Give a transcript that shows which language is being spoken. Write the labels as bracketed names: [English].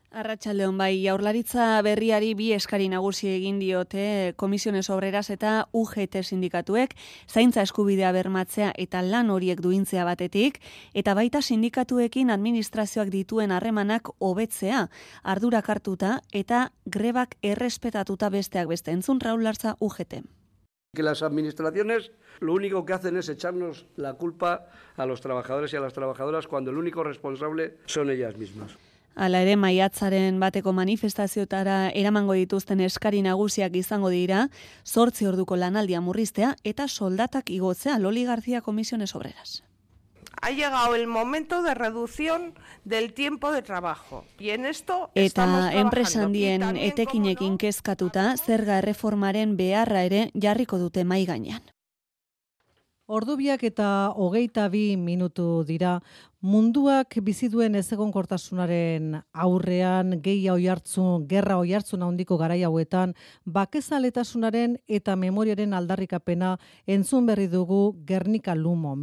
[Basque] Arratsaldeon bai, Jaurlaritza berriari bi eskari nagusi egin diote Komisiones Obreras eta UGT sindikatuek, zaintza eskubidea bermatzea eta lan horiek duintzea batetik, eta baita sindikatuekin administrazioak dituen harremanak hobetzea, ardurak hartuta eta grebak errespetatuta besteak beste. Entzun Raul Larza, UGT. [Spanish] Que las administraciones lo único que hacen es echarnos la culpa a los trabajadores y a las trabajadoras cuando el único responsable son ellas mismas. [Basque] Hala ere, maiatzaren bateko manifestaziotara eramango dituzten eskari nagusiak izango dira, 8 orduko lanaldia murriztea eta soldatak igotzea, Loli García, Comisiones Obreras. [Spanish] Ha llegado el momento de reducción del tiempo de trabajo. Y en esto [Basque] eta enpresa handien etekinekin kezkatuta, zerga erreformaren beharra ere jarriko dute mai gainean. Ordubiak eta 22 minutu dira, munduak bizi duen ezegonkortasunaren aurrean, gerra oihartzun handiko garai hauetan, bakezaletasunaren eta memoriaren aldarrikapena entzun berri dugu Gernika Lumon.